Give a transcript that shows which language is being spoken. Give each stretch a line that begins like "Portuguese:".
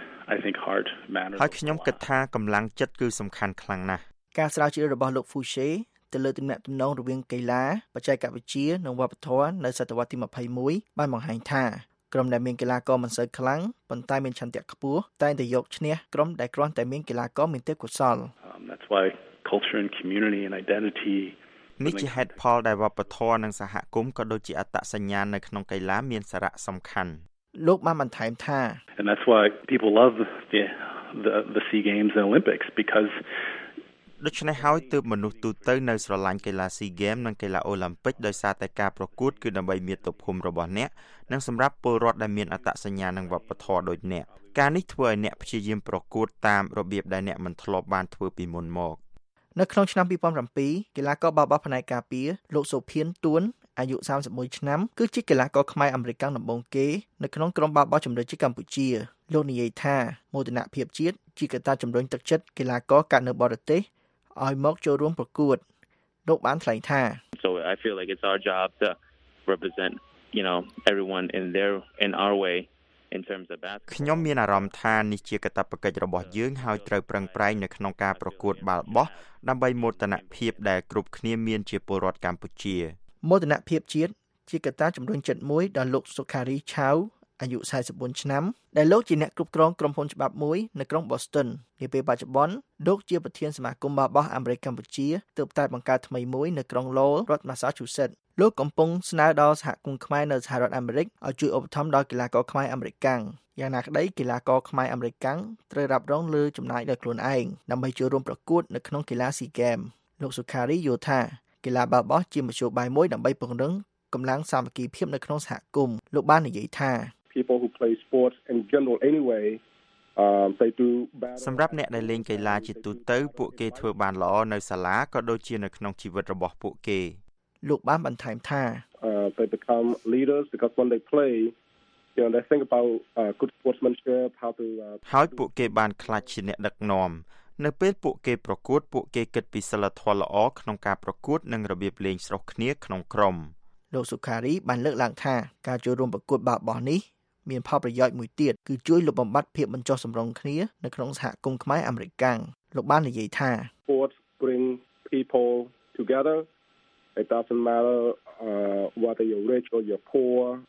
Khmer: ហើយខ្ញុំគិតថាកម្លាំងចិត្តគឺសំខាន់ខ្លាំងណាស់ការស្រាវជ្រាវរបស់លោក Fushie ទៅលើទំនាក់ទំនងរវាងកីឡាបច្ចេកវិទ្យានិងវប្បធម៌នៅសតវត្សទី21បានបង្ហាញថាក្រុមដែលមានកីឡាករមិនសូវខ្លាំងប៉ុន្តែមានឆន្ទៈខ្ពស់តែងតែយកឈ្នះក្រុមដែលគ្រាន់តែមានកីឡាករមានទេពកោសល្យ
English: That's why culture and community and identity
Khmer: នេះជាហេតុផលដែលវប្បធម៌និងសហគមន៍ក៏ដូចជាអត្តសញ្ញាណនៅក្នុងកីឡាមានសារៈសំខាន់លោកបានបន្ថែមថា
English: And that's why people love the SEA Games and Olympics because
Khmer: ដូច្នេះហើយទើបមនុស្សទូទៅនៅស្រឡាញ់កីឡា SEA Games និងកីឡាអូឡាំពិកដោយសារតែការប្រកួតគឺដើម្បីមាតុភូមិរបស់អ្នកនិងសម្រាប់ពលរដ្ឋដែលមានអត្តសញ្ញាណនិងវប្បធម៌ដូចអ្នកការនេះធ្វើឲ្យអ្នកព្យាយាមប្រកួតតាមរបៀបដែលអ្នកមិនធ្លាប់បានធ្វើពីមុនមក នៅក្នុងឆ្នាំ2007កីឡាករបាល់បោះផ្នែកការពារលោកសុភានតួនអាយុ31ឆ្នាំគឺជាកីឡាករខ្មែរអាមេរិកដំបូងគេនៅក្នុងក្រុមបាល់បោះជម្រើសជាតិកម្ពុជាលោកនិយាយថាមោទនភាពជាតិជាកត្តាជំរុញទឹកចិត្តកីឡាករកាត់នៅបរទេសឲ្យមកចូលរួមប្រកួតលោកបានថ្លែងថា
English: So I feel like it's our job to represent you know everyone in our way in terms of basketball
Khmer: ខ្ញុំមានអារម្មណ៍ថានេះជាកាតព្វកិច្ចរបស់យើងហើយត្រូវប្រឹងប្រែងនៅក្នុងការប្រកួតបាល់បោះដើម្បីមោទនភាពដែលគ្រប់គ្នាមានជាពលរដ្ឋកម្ពុជា មោទនភាពជាតិជាកត្តាជំរុញចិត្តមួយដល់លោកសុខារីឆៅអាយុ44ឆ្នាំដែលលោកជាអ្នកគ្រប់គ្រងក្រុមហ៊ុនច្បាប់មួយនៅក្រុង Boston នាពេលបច្ចុប្បន្នលោកជាប្រធានសមាគមបាល់បោះអាមេរិកកម្ពុជាទើបតែបង្កើតថ្មីមួយនៅក្រុង Lowell រដ្ឋ Massachusetts លោកកំពុងស្នើដល់សហគមន៍ខ្មែរនៅសហរដ្ឋអាមេរិកឲ្យជួយឧបត្ថម្ភដល់កីឡាករខ្មែរអាមេរិកយ៉ាងណាក្តីកីឡាករខ្មែរអាមេរិកត្រូវរ៉ាប់រងលើចំណាយដោយខ្លួនឯងដើម្បីចូលរួមប្រកួតនៅក្នុងកីឡា SEA Games លោកសុខារីយល់ថាកីឡាបាល់បោះជាមធ្យោបាយមួយដើម្បីពង្រឹងកម្លាំងសាមគ្គីភាពនៅក្នុងសហគមន៍លោកបាននិយាយថា
English: people who play sports in general anyway they do
Khmer: សម្រាប់អ្នកដែលលេងកីឡាជាទូទៅពួកគេធ្វើបានល្អនៅសាលាក៏ដូចជានៅក្នុងជីវិតរបស់ពួកគេ លោកបានបន្ថែមថា
English: they become leaders because when they play you know they think about good sportsmanship how to
Khmer: ហើយពួកគេបានក្លាយជាអ្នកដឹកនាំនៅពេលពួកគេប្រកួតពួកគេគិតពីសីលធម៌ល្អក្នុងការប្រកួតនិងរបៀបលេងស្រុះគ្នាក្នុងក្រុម លោកសុខារីបានលើកឡើងថាការចូលរួមប្រកួតបាល់បោះនេះ មានផលប្រយោជន៍មួយទៀតគឺជួយលុបបំបាត់ភាពមិនចុះសម្រុងគ្នានៅក្នុងសហគមន៍ខ្មែរអាមេរិកកាំងលោកបាននិយាយថា
English: Sports bring people together. It doesn't matter whether you're rich or you're poor.